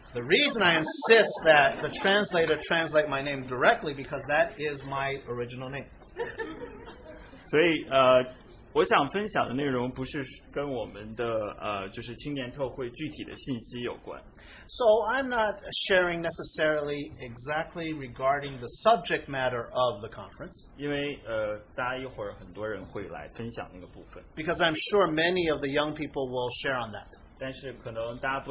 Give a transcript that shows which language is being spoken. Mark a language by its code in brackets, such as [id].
[en] The reason I insist that the translator translate my name directly because that is my original name. [zh] 所以, 我想分享的内容不是跟我们的青年特会具体的信息有关。 [en] So I'm not sharing necessarily exactly regarding the subject matter of the conference. [zh] 因为大家一会儿很多人会来分享那个部分。 [en] Because I'm sure many of the young people will share on that.